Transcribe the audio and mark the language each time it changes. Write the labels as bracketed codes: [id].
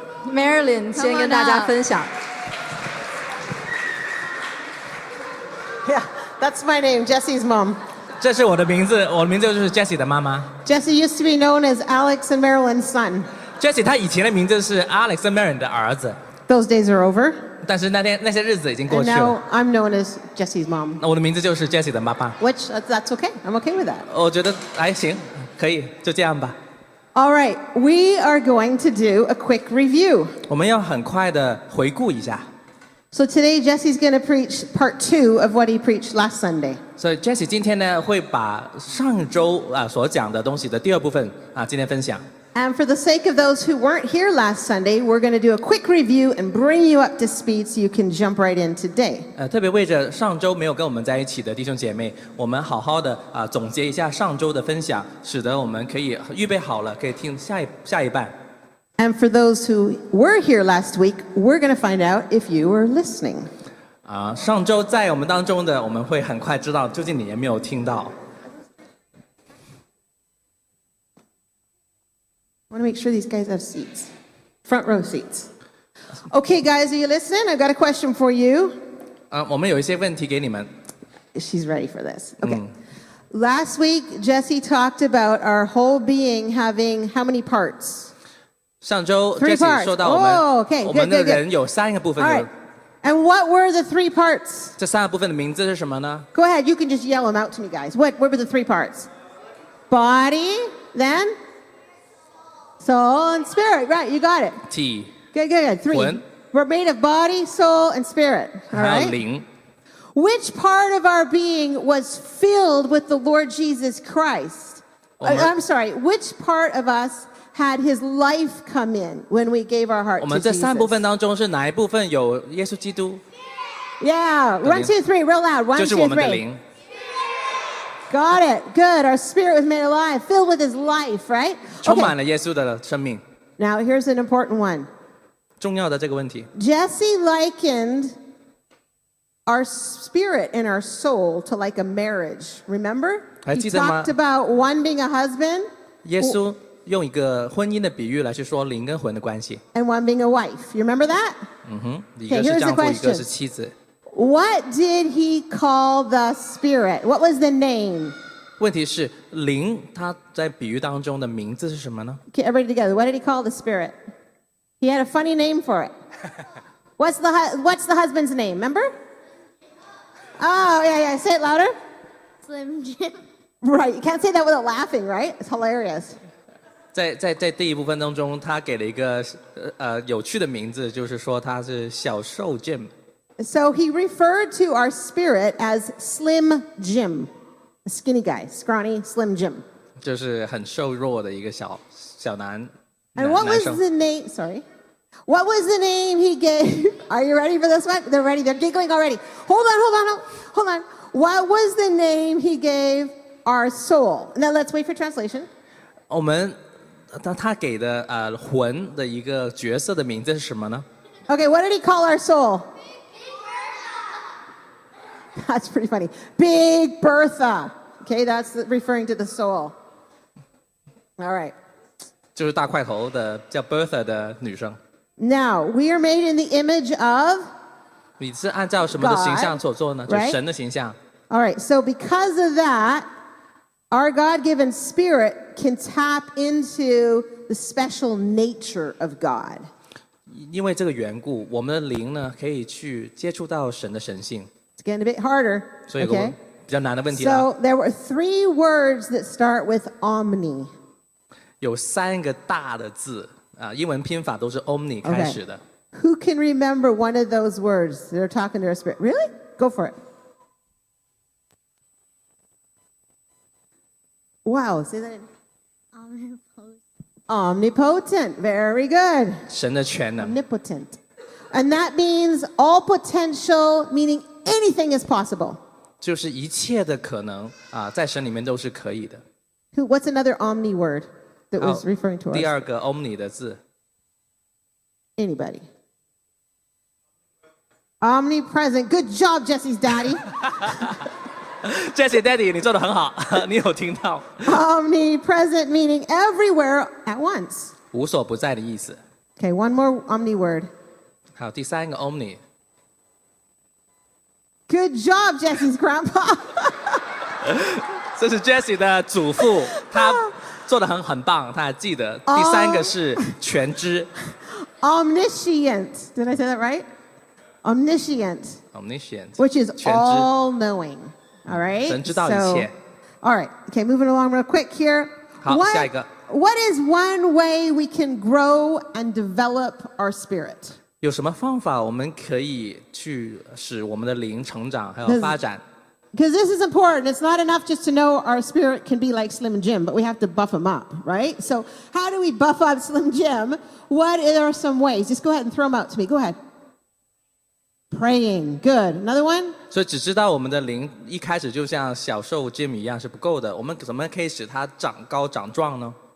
[zh] Marilyn, 先跟大家分享。 [en] Yeah, that's my name, Jesse's mom. [zh] 这是我的名字，我的名字就是 Jesse 的妈妈。 [en] Jesse used to be known as Alex and Marilyn's son. [zh] Jesse 他以前的名字是 Alex and Marilyn 的儿子。 [en] Those days are over. [zh] 但是那些日子已经过去了。 [en] And now I'm known as Jesse's mom. [zh] 那我的名字就是 Jesse 的妈妈。 [en] Which that's okay. I'm okay with that. [zh] 我觉得还行，可以就这样吧。 [en] All right, we are going to do a quick review. [zh] 我们要很快的回顾一下。 [en] So today Jesse's going to preach part two of what he preached last Sunday. So [zh] Jesse 今天呢会把上周所讲的东西的第二部分今天分享。 [en] And for the sake of those who weren't here last Sunday, we're going to do a quick review and bring you up to speed so you can jump right in today. [zh] 特别为着上周没有跟我们在一起的弟兄姐妹，我们好好的总结一下上周的分享，使得我们可以预备好了，可以听下一半。 [en] And for those who were here last week, we're going to find out if you were listening. [zh] 上周在我们当中的，我们会很快知道究竟你有没有听到。 [en] I want to make sure these guys have seats. Front row seats. Okay, guys, are you listening? I've got a question for you. [zh] 我们有一些问题给你们。 [en] she's ready for this. Okay. Last week, Jessie talked about our whole being having how many parts? [zh] 上周 Jessie 说到我们的人有三个部分。 [en] All right. And what were the three parts? [zh] 这三个部分的名字是什么呢? [en] Go ahead, you can just yell them out to me, guys. What were the three parts? Body, then? Soul and spirit, right, you got it. [zh] 体. [en] Good. Three. 魂.We're made of body, soul, and spirit. All right? [zh] 还有灵。 [en] Which part of our being was filled with the Lord Jesus Christ? I'm sorry, which part of us had his life come in when we gave our heart to Jesus? [zh] 我们这三部分当中是哪一部分有耶稣基督? [en] Yeah, 1, 2, 3, real loud. 1, 2, 3. Spirit! Got it, good. Our spirit was made alive, filled with his life, right? [zh] 充满了耶稣的生命。 [en] Now, here's an important one. [zh] 重要的这个问题。 [en] Jesse likened... our spirit and our soul to like a marriage. Remember? He talked about one being a husband. [zh] 耶稣用一个婚姻的比喻来去说灵跟魂的关系。 [en] And one being a wife. You remember that? Okay, here's the question. [zh] 一个是妻子。 [en] What did he call the spirit? What was the name? [zh] 问题是灵他在比喻当中的名字是什么呢? [en] Okay, everybody together. What did he call the spirit? He had a funny name for it. What's the husband's name? Remember? Oh, yeah, say it louder. Slim Jim. Right, you can't say that without laughing, right? It's hilarious. [zh] 在第一部分当中，他给了一个有趣的名字，就是说他是小瘦 Jim. [en] So he referred to our spirit as Slim Jim. A skinny guy, scrawny Slim Jim. [zh] 就是很瘦弱的一个小男生。 [en] And what was the name, sorry? What was the name he gave? Are you ready for this one? They're ready. They're giggling already. Hold on. What was the name he gave our soul? Now let's wait for translation. [zh] 我们他给的魂的一个角色的名字是什么呢? [en] Okay, what did he call our soul? Big Bertha. That's pretty funny. Big Bertha. Okay, that's referring to the soul. All right. [zh] 就是大块头的叫 Bertha 的女生。 [en] Now, we are made in the image of God, [zh] 你是按照什么的形象所做呢? 就是神的形象。 [en] All right, so because of that, our God-given spirit can tap into the special nature of God. [zh] 因为这个缘故,我们的灵呢,可以去接触到神的神性。 [en] It's getting a bit harder. [zh] 所以有个比较难的问题了。 [en] So there were three words that start with omni. [zh] 有三个大的字。英文拼法都是 omni 开始的。 [en] Okay. Who can remember one of those words? They're talking to our spirit. Really? Go for it. Wow, say that omnipotent. Omnipotent, very good. [zh] 神的全能。 [en] Omnipotent. And that means all potential, meaning anything is possible. [zh] 就是一切的可能、在神里面都是可以的。 [en] What's another omni word? That was referring to us. [zh] 第二个 omni 的字。 [en] Anybody? Omnipresent. Good job, Jesse's daddy. [zh] Jesse, daddy, 你做得很好，你有听到。 [en] Omnipresent meaning everywhere at once. [zh] 无所不在的意思。 [en] Okay, one more omni word. [zh] 好，第三个 omni. [en] Good job, Jesse's grandpa. [zh] 这是 Jesse 的祖父，他。做得很棒，他还记得。第三个是全知。 [en] Omniscient. Did I say that right? Omniscient. Omniscient. Which is all knowing. All right? [zh] 神知道一切。 [en] All right. Okay, moving along real quick here. [zh] 好，下一个。 [en] What is one way we can grow and develop our spirit? [zh] 有什么方法我们可以去使我们的灵成长还有发展？ [en] Because this is important. It's not enough just to know our spirit can be like Slim Jim, but we have to buff him up, right? So how do we buff up Slim Jim? What are some ways? Just go ahead and throw them out to me. Go ahead. Praying. Good. Another one? [zh] 所以只知道我们的灵一开始就像小瘦 Jim 一样是不够的。我们怎么可以使它长高长壮呢？